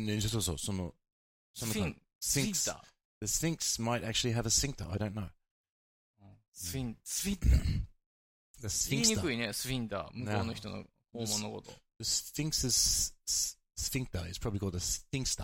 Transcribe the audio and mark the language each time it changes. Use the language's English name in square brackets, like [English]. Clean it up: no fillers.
[Japanese] そうそう、その、その、その、スフィンクス。 [English] The Sphinx might actually have a sphincter, I don't know. [Japanese] スフィン、スフィンクス。 [English] The Sphinx. [Japanese] 言いにくいね、スフィンター。向こうの人の訪問のこと。 [English] The Sphinx's sphincter is probably called a sphincter.